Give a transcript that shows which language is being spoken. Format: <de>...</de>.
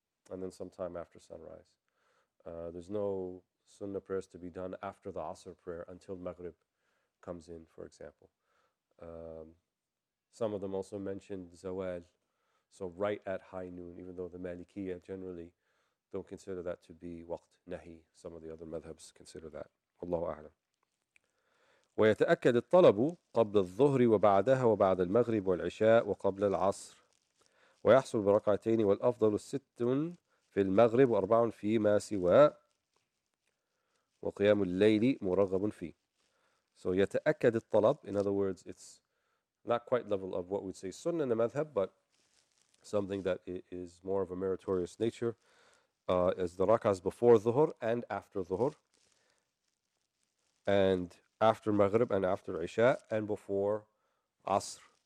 <en>And then sometime after sunrise. There's no sunnah prayers to be done after the asr prayer until maghrib comes in, for example. Some of them also mentioned zawal, so right at high noon, even though the Malikiyah generally don't consider that to be waqt nahi. Some of the other madhabs consider that. Allahu a'lam.</en> <ar>ويتأكد الطلب قبل الظهر وبعدها وبعد المغرب والعشاء وقبل العصر ويحصل بركعتين والأفضل ست في المغرب وأربع فيما سوى وقيام الليل مرغب فيه.</ar> <en>So</en> <ar>يتأكد الطلب,</ar> <en>in other words, it's not quite level of what we'd say sunnah in the madhab, but something that is more of a meritorious nature, as the rak'ahs before dhuhr and after dhuhr, and after Maghrib and after Isha, and before Asr.</en>